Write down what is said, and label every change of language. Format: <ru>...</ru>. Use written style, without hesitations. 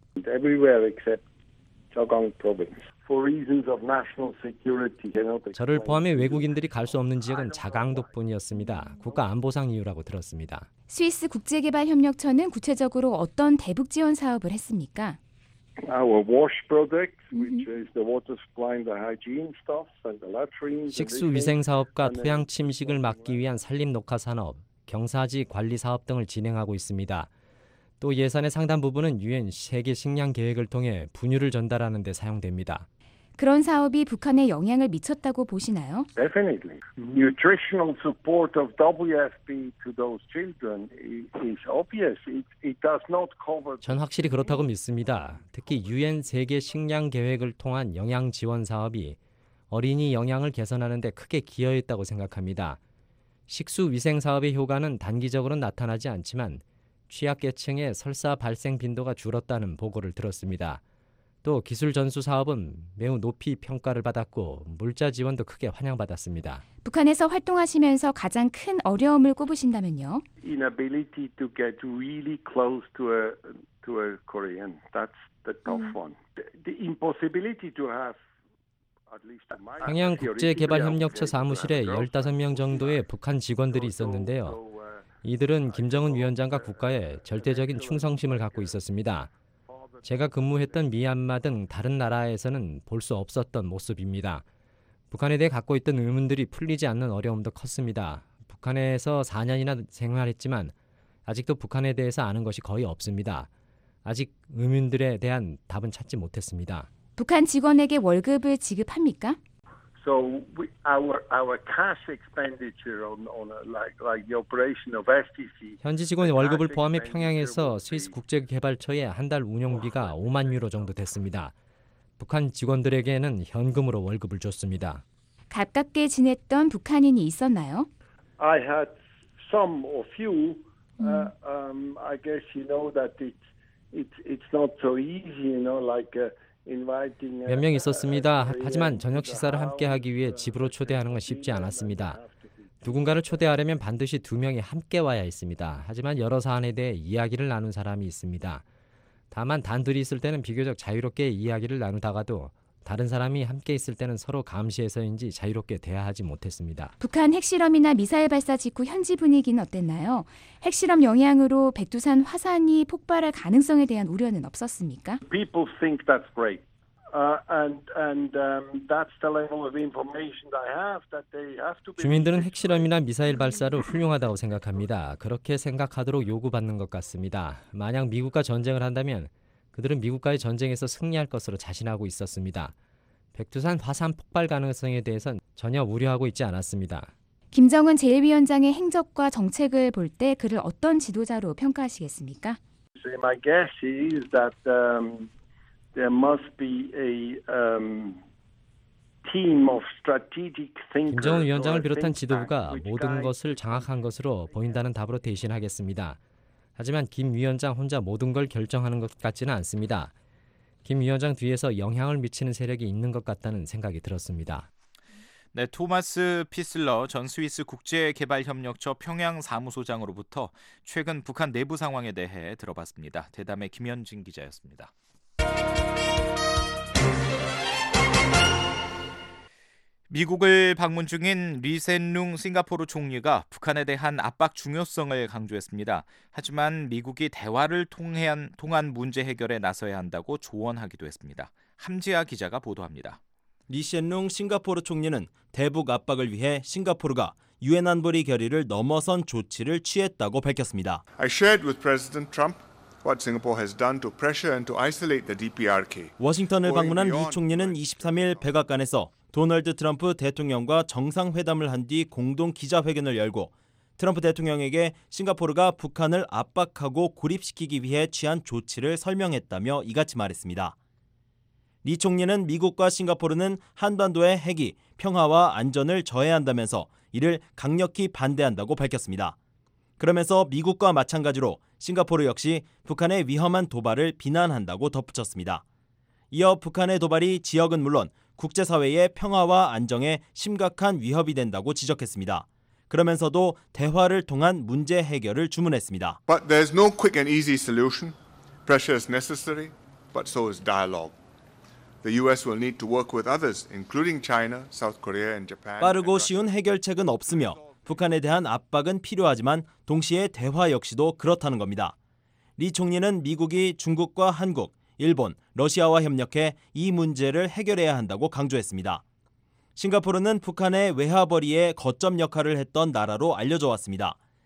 <en>Everywhere except Jagang province. For reasons of national security.</en> <ko>저를 포함해 외국인들이 갈 수 없는 지역은 자강도 뿐이었습니다. 국가 안보상 이유라고 들었습니다. 스위스 국제개발협력처는 구체적으로 어떤 대북 지원 사업을 했습니까?</ko> <en>Our wash project, which is the water supply and the hygiene stuffs and the latrines.</en> <ko>식수 위생 사업과 토양 침식을 막기 위한 산림 녹화 산업, 경사지 관리 사업 등을 진행하고 있습니다. 또 예산의 상당 부분은 유엔 세계 식량 계획을 통해 분유를 전달하는 데 사용됩니다. 그런 사업이 북한에 영향을 미쳤다고 보시나요?</ko> <en>Definitely. Nutritional support of WFP to those children is obvious. It does not cover.</en> <ko>전 확실히 그렇다고 믿습니다. 특히 유엔 세계 식량 계획을 통한 영양 지원 사업이 어린이 영양을 개선하는 데 크게 기여했다고 생각합니다. 식수 위생 사업의 효과는 단기적으로는 나타나지 않지만 취약계층의 설사 발생 빈도가 줄었다는 보고를 들었습니다. 또 기술 전수 사업은 매우 높이 평가를 받았고 물자 지원도 크게 환영받았습니다. 북한에서 활동하시면서 가장 큰 어려움을 꼽으신다면요?</ko> <en>Inability to get really close to a Korean. That's the tough one. The impossibility to have.</en> <ko>평양국제개발협력처 사무실에 15명 정도의 북한 직원들이 있었는데요. 이들은 김정은 위원장과 국가에 절대적인 충성심을 갖고 있었습니다. 제가 근무했던 미얀마 등 다른 나라에서는 볼 수 없었던 모습입니다. 북한에 대해 갖고 있던 의문들이 풀리지 않는 어려움도 컸습니다. 북한에서 4년이나 생활했지만 아직도 북한에 대해서 아는 것이 거의 없습니다. 아직 의문들에 대한 답은 찾지 못했습니다. 북한 직원에게 월급을 지급합니까?</ko> <en>So our cash expenditure on like the operation of STC.</en> <ko>현지 직원 월급을 포함해 평양에서 스위스 국제개발처의 한 달 운영비가 5만 유로 정도 됐습니다. 북한 직원들에게는 현금으로 월급을 줬습니다. 가깝게 지냈던 북한인이 있었나요?</ko> <en>I had some or few. I guess you know that it's not so easy, you know, like.</en> <ko>몇 명 있었습니다. 하지만 저녁 식사를 함께하기 위해 집으로 초대하는 건 쉽지 않았습니다. 누군가를 초대하려면 반드시 두 명이 함께 와야 했습니다. 하지만 여러 사안에 대해 이야기를 나눈 사람이 있습니다. 다만 단둘이 있을 때는 비교적 자유롭게 이야기를 나누다가도 다른 사람이 함께 있을 때는 서로 감시해서인지 자유롭게 대화하지 못했습니다. 북한 핵실험이나 미사일 발사 직후 현지 분위기는 어땠나요? 핵실험 영향으로 백두산 화산이 폭발할 가능성에 대한 우려는 없었습니까?</ko> <en>People think that's great. And that's the level of information I have that they have to be.</en> <ko>주민들은 핵실험이나 미사일 발사를 훌륭하다고 생각합니다. 그렇게 생각하도록 요구받는 것 같습니다. 만약 미국과 전쟁을 한다면 그들은 미국과의 전쟁에서 승리할 것으로 자신하고 있었습니다. 백두산 화산 폭발 가능성에 대해서는 전혀 우려하고 있지 않았습니다. 김정은 제1위원장의 행적과 정책을 볼 때 그를 어떤 지도자로 평가하시겠습니까?</ko> <en>So my guess is that there must be a team of strategic thinkers.</en> <ko>김정은 위원장을 비롯한 지도부가 모든 것을 장악한 것으로 보인다는 답으로 대신하겠습니다. 하지만 김 위원장 혼자 모든 걸 결정하는 것 같지는 않습니다. 김 위원장 뒤에서 영향을 미치는 세력이 있는 것 같다는 생각이 들었습니다. 네, 토마스 피슬러 전 스위스 국제개발협력처 평양사무소장으로부터 최근 북한 내부 상황에 대해 들어봤습니다. 대담의 김현진 기자였습니다. 미국을 방문 중인 리센룽 싱가포르 총리가 북한에 대한 압박 중요성을 강조했습니다. 하지만 미국이 대화를 통한 문제 해결에 나서야 한다고 조언하기도 했습니다. 함지아 기자가 보도합니다. 리센룽 싱가포르 총리는 대북 압박을 위해 싱가포르가 유엔 안보리 결의를 넘어선 조치를 취했다고 밝혔습니다.</ko> <en>I shared with President Trump. What Singapore has done to pressure and to isolate the DPRK.</en> <ko>워싱턴을 방문한 리 총리는 23일 백악관에서 도널드 트럼프 대통령과 정상회담을 한 뒤 공동 기자회견을 열고 트럼프 대통령에게 싱가포르가 북한을 압박하고 고립시키기 위해 취한 조치를 설명했다며 이같이 말했습니다. 리 총리는 미국과 싱가포르는 한반도의 핵이 평화와 안전을 저해한다면서 이를 강력히 반대한다고 밝혔습니다. 그러면서 미국과 마찬가지로 싱가포르 역시 북한의 위험한 도발을 비난한다고 덧붙였습니다. 이어 북한의 도발이 지역은 물론 국제사회의 평화와 안정에 심각한 위협이 된다고 지적했습니다. 그러면서도 대화를 통한 문제 해결을 주문했습니다.</ko> <en>But there's no quick and easy solution. Pressure is necessary, but so is dialogue. The US will need to work with others, including China, South Korea, and Japan.</en> <ko>빠르고 쉬운 해결책은 없으며 북한에 대한 압박은 필요하지만 동시에 대화 역시도 그렇다는 겁니다. 리 총리는 미국이 중국과 한국, 일본, 러시아와 협력해 이 문제를 해결해야 한다고 강조했습니다. 싱가포르는 북한의 외화벌이에 거점 역할을 했던 나라로 알려져 왔습니다.</ko>